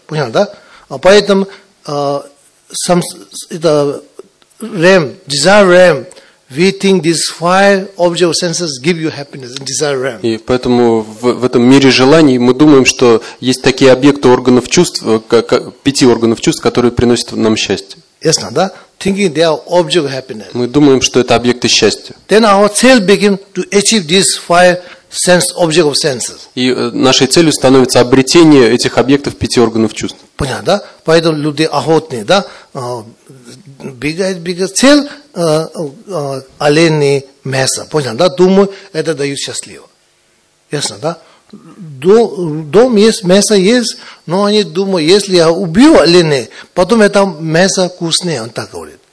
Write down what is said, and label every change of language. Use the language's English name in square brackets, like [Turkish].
[Russian] Понял, да? А поэтому, [English] desire realm, we think these five object senses give you happiness, desire realm. [Russian] И поэтому в этом мире желаний мы думаем, что есть такие объекты органов чувств, пяти органов чувств, которые приносят нам счастье. Ясно, да? [English] Thinking they are object happiness. [Russian] Мы думаем, что это объекты счастья. [English] Then our cell begin to achieve these five sense object of senses. [Russian] И нашей целью становится обретение этих объектов пяти органов чувств. Понятно, да? Поэтому люди охотные, да? Бегают. Цель оленей мяса. Понятно, да? Думаю, это дает счастливо. Ясно, да? Дом есть, мясо есть, но они думают, если я убью оленей, потом это мясо вкуснее, он так говорит.